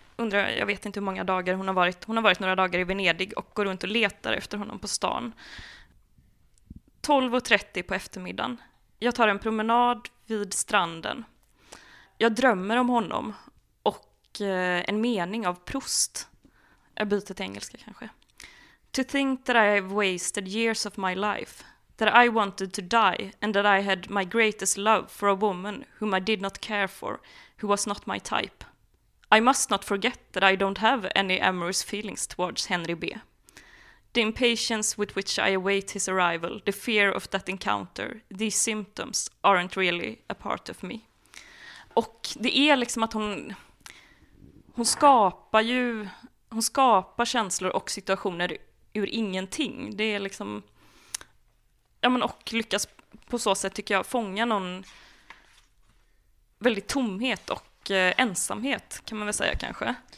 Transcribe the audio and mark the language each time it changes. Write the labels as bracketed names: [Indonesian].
[Swedish] jag vet inte hur många dagar hon har varit. Hon har varit några dagar i Venedig och går runt och letar efter honom på stan. 12:30 på eftermiddagen. Jag tar en promenad vid stranden. Jag drömmer om honom. Och en mening av Proust. Jag byter till engelska kanske. [English] To think that I have wasted years of my life... That I wanted to die and that I had my greatest love for a woman whom I did not care for, who was not my type. I must not forget that I don't have any amorous feelings towards Henry B. The impatience with which I await his arrival, the fear of that encounter, these symptoms aren't really a part of me. [Swedish] Och det är liksom att hon... Hon skapar känslor och situationer ur ingenting. Det är liksom, ja, men och lyckas på så sätt, tycker jag, fånga någon väldigt tomhet och ensamhet, kan man väl säga kanske.